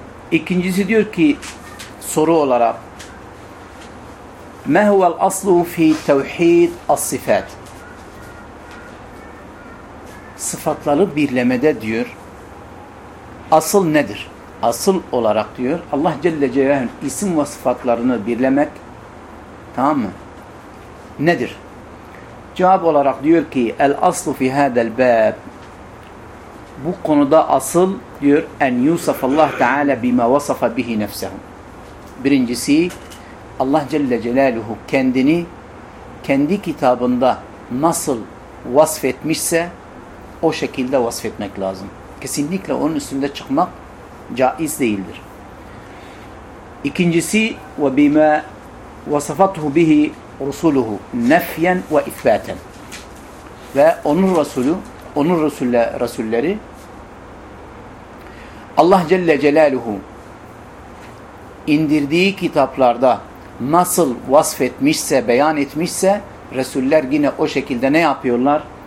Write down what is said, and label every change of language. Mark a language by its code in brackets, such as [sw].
[tr] İkincisi diyor ki soru olarak [ar] ما هو الأصل في توحيد الصفات؟ [tr] Sıfatları birlemede diyor asıl nedir? Asıl olarak diyor Allah Celle Celaluhu isim ve sıfatlarını birlemek, tamam mı? Nedir? Cevap olarak diyor ki [ar] الأصل في هذا الباب [tr] bu konuda asıl diyor [ar] أن يوصف الله تعالى بما وصف به نفسه. [tr] Birincisi Allah Celle Celaluhu kendini kendi kitabında nasıl vasfetmişse o şekilde vasfetmek lazım. Kesinlikle onun üstünde çıkmak caiz değildir. İkincisi [ar] وَبِمَا وَصَفَتْهُ بِهِ رُسُولُهُ نَفْيًا وَإِثْبَاتًا [tr] ve onun Resulü, onun Resulleri Allah Celle Celaluhu indirdiği kitaplarda nasıl vasfetmişse, beyan etmişse Resuller yine o şekilde ne yapıyorlar?